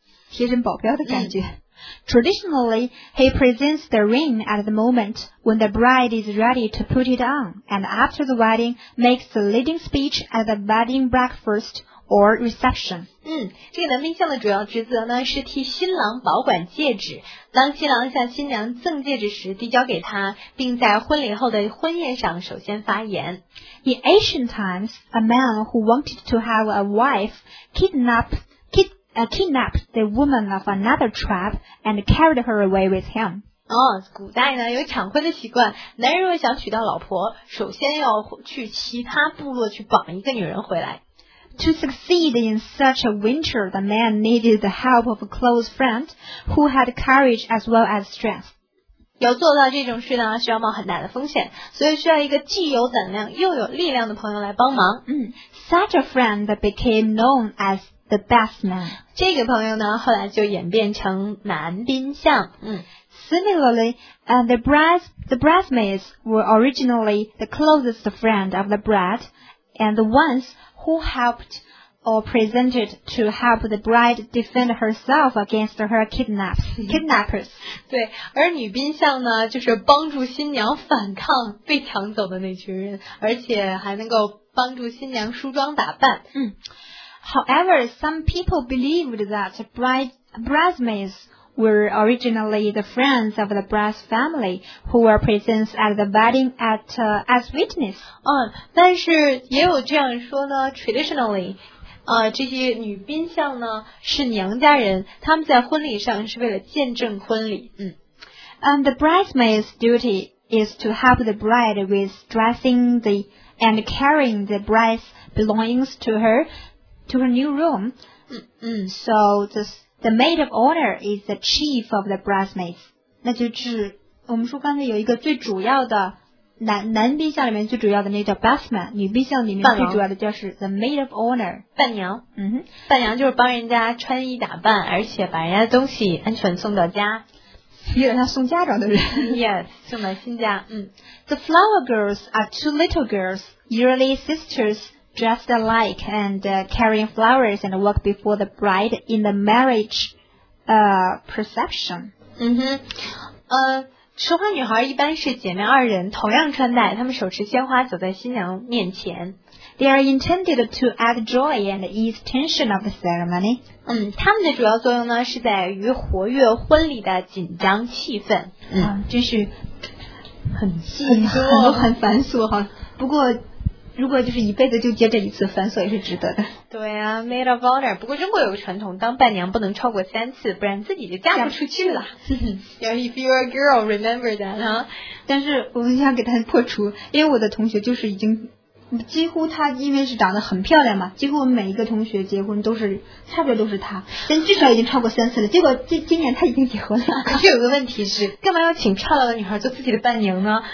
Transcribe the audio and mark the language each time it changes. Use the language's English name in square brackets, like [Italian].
[Chinese] 贴身保镖的感觉。 [English] Traditionally, he presents the ring at the moment when the bride is ready to put it on, and after the wedding, makes the leading speech at the wedding breakfast. Or reception. [Chinese] 这个男宾相的主要职责呢是替新郎保管戒指，当新郎向新娘赠戒指时递交给他，并在婚礼后的婚宴上首先发言。 [English] In ancient times, a man who wanted to have a wife kidnapped the woman of another tribe and carried her away with him. [Chinese] 古代呢有抢婚的习惯，男人若想娶到老婆，首先要去其他部落去绑一个女人回来。 [English] To succeed in such a venture, the man needed the help of a close friend who had courage as well as strength. [Chinese] 要做到这种事呢，需要冒很大的风险，所以需要一个既有胆量又有力量的朋友来帮忙。 [English] Such a friend became known as the best man. [Chinese] 这个朋友呢，后来就演变成男宾相。 [English] Similarly, the bridesmaids were originally the closest friend of the bride and the ones. Who helped or presented to help the bride defend herself against her kidnappers? [Chinese] 对，而女宾相呢，就是帮助新娘反抗被抢走的那群人，而且还能够帮助新娘梳妆打扮。 [English] However, some people believed that bridesmaids were originally the friends of the bride's family who were present at the wedding as witness. [Chinese] 但是也有这样说呢 [English] traditionally, [Chinese] 这些女宾相呢是娘家人，他们在婚礼上是为了见证婚礼。 [English] And the bridesmaid's duty is to help the bride with dressing and carrying the bride's belongings to her new room. So the maid of honor is the chief of the bridesmaids. [Chinese] 那就是我们说刚才有一个最主要的男宾相里面最主要的那个叫 busman， 女宾相里面最主要的就是 the maid of honor，伴娘。嗯哼，伴娘就是帮人家穿衣打扮，而且把人家东西安全送到家，有点像送嫁妆的人。 [English] Yes， [Chinese] 送到新家。嗯 [English] ，the flower girls are two little girls, yearly sisters. Dressed alike and carrying flowers and walk before the bride in the marriage procession. [Chinese] 嗯哼，吃花女孩一般是姐妹二人，同样穿戴，她们手持鲜花走在新娘面前。 [English] They are intended to add joy and ease tension of the ceremony. [Chinese] 嗯，她们的主要作用呢是在于活跃婚礼的紧张气氛。嗯，真是很寂寞，很繁琐哈。不过。如果就是一辈子就接这一次，繁琐也是值得的。对啊 ，Maid of Honor。不过中国有个传统，当伴娘不能超过三次，不然自己就嫁不出去了。 [English] Yeah, if you're a girl, remember that, huh? [Chinese] 但是我们想给他破除，因为我的同学就是已经几乎他因为是长得很漂亮嘛，几乎每一个同学结婚都是差不多都是他，但至少已经超过三次了。结果今年他已经结婚了。可是有个问题是，干嘛要请漂亮的女孩做自己的伴娘呢？